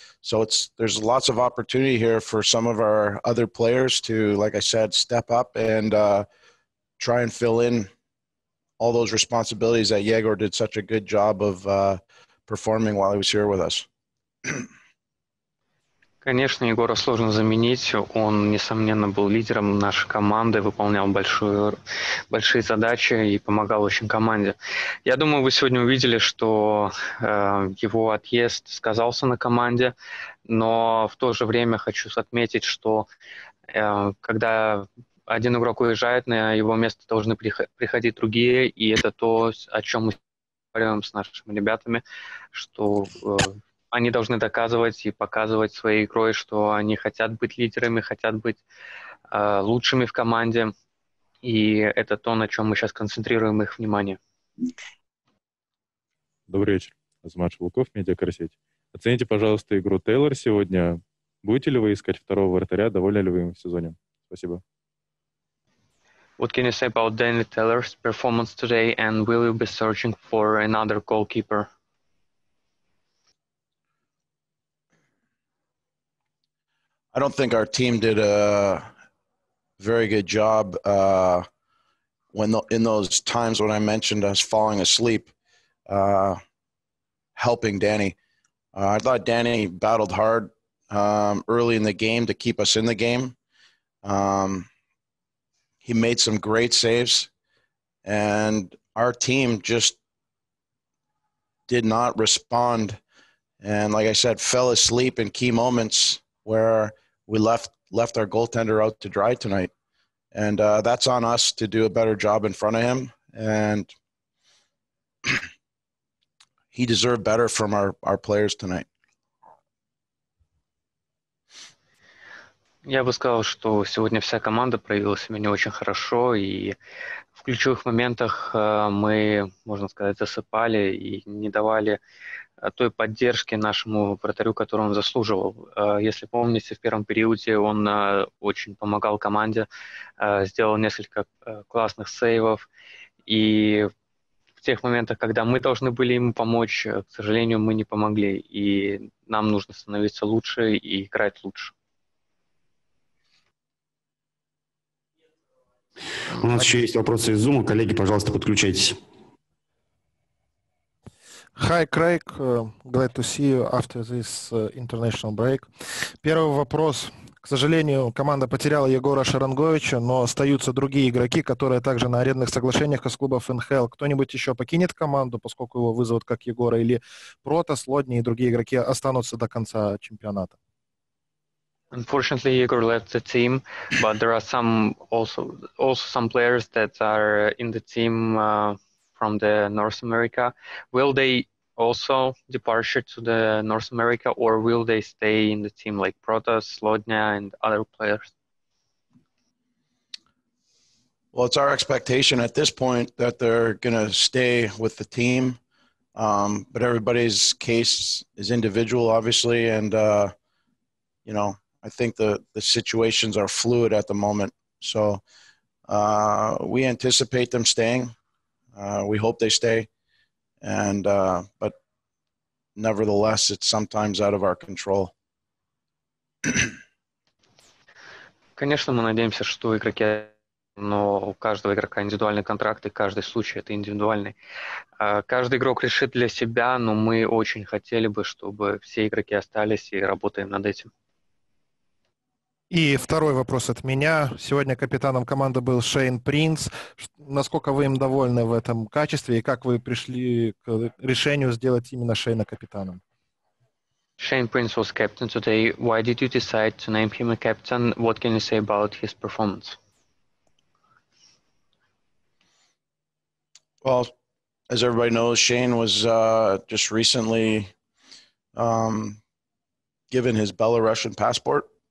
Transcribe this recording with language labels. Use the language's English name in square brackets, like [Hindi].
[English] So there's lots of opportunity here for some of our other players to, like I said, step up and try and fill in all those responsibilities that Yegor did such a good job of performing while he was here with us. [Russian] Конечно, Егора сложно заменить. Он, несомненно, был лидером нашей команды, выполнял большие задачи и помогал очень команде. Я думаю, вы сегодня увидели, что его отъезд сказался на команде, но в то же время хочу отметить, что когда один игрок уезжает, на его место должны приходить другие, и это то, о чем мы говорим с нашими ребятами, что... Они должны доказывать и показывать своей игрой, что они хотят быть лидерами, хотят быть лучшими в команде. И это то, на чем мы сейчас концентрируем их внимание. Добрый вечер. Азамат Шулуков, Медиакарсеть. Оцените, пожалуйста, игру Тейлор сегодня. Будете ли вы искать второго вратаря? Довольны ли вы им в сезоне? Спасибо. [English] What can you say about Danny Taylor's performance today? And will you be searching for another goalkeeper? I don't think our team did a very good job in those times when I mentioned us falling asleep, helping Danny. I thought Danny battled hard early in the game to keep us in the game. He made some great saves, and our team just did not respond. And like I said, fell asleep in key moments where we left our goaltender out to dry tonight. And that's on us to do a better job in front of him. And he deserved better from our players tonight. [Russian] Я бы сказал, что сегодня вся команда проявила себя не очень хорошо. И в ключевых моментах мы, можно сказать, засыпали и не давали той поддержки нашему вратарю, которую он заслуживал. Если помните, в первом периоде он очень помогал команде, сделал несколько классных сейвов. И в тех моментах, когда мы должны были ему помочь, к сожалению, мы не помогли. И нам нужно становиться лучше и играть лучше. У нас еще есть вопросы из Zoom. Коллеги, пожалуйста, подключайтесь. [English] Hi, Craig. Glad to see you after this international break. [Russian] Первый вопрос. К сожалению, команда потеряла Егора Шаранговича, но остаются другие игроки, которые также на арендных соглашениях из клубов НХЛ. Кто-нибудь еще покинет команду, поскольку его вызовут как Егора, или Протас, Лодни и другие игроки останутся до конца чемпионата? [English] Unfortunately, Igor left the team, but there are some also some players that are in the team from the North America. Will they also departure to the North America, or will they stay in the team like Protas, Slodnya, and other players? Well, it's our expectation at this point that they're going to stay with the team, but everybody's case is individual, obviously, and you know, I think the situations are fluid at the moment. So we anticipate them staying. We hope they stay, but nevertheless, it's sometimes out of our control. [Russian] Конечно, мы надеемся, что игроки, но у каждого игрока индивидуальный контракт, и каждый случай это индивидуальный. Каждый игрок решит для себя, но мы очень хотели бы, чтобы все игроки остались и работаем над этим. И второй вопрос от меня. Сегодня капитаном команды был Шейн Принс. Насколько вы им довольны в этом качестве и как вы пришли к решению сделать именно Шейна капитаном? [English] Shane Prince was captain today. Why did you decide to name him a captain? What can you say about his performance? Well, as everybody knows, Shane was just recently given his Belarusian passport.